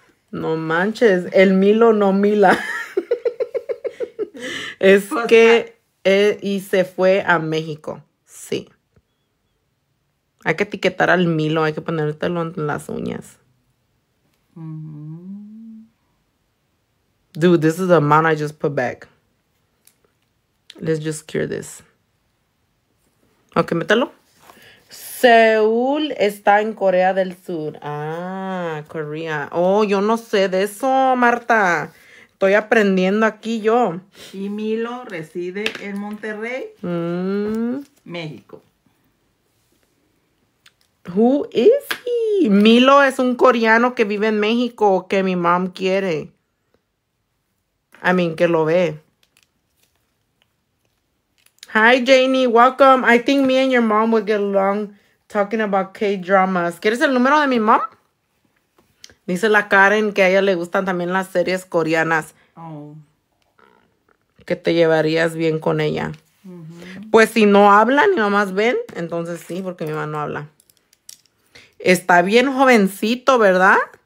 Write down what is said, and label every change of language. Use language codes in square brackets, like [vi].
[es] No manches, el Milo no Mila. Es pues que y se fue a México, sí. Hay que etiquetar al Milo, hay que ponértelo en las uñas. Mm-hmm. [en] Dude, this is the amount I just put back. Let's just cure this. Okay, [es] métalo. Seúl está en Corea del Sur. Ah, Corea. Oh, yo no sé de eso, Marta. Estoy aprendiendo aquí yo. Y Milo reside en Monterrey, México. [en] Who is he? [es] Milo es un coreano que vive en México que mi mom quiere. [en] I mean, [es] que lo ve. [en] Hi, Janie. Welcome. I think me and your mom would get along talking about K-dramas. [es] ¿Quieres el número de mi mom? Dice la Karen que a ella le gustan también las series coreanas. Oh. Que te llevarías bien con ella. Mm-hmm. Pues si no hablan y nomás ven, entonces sí, porque mi mamá no habla. Está bien jovencito, ¿verdad?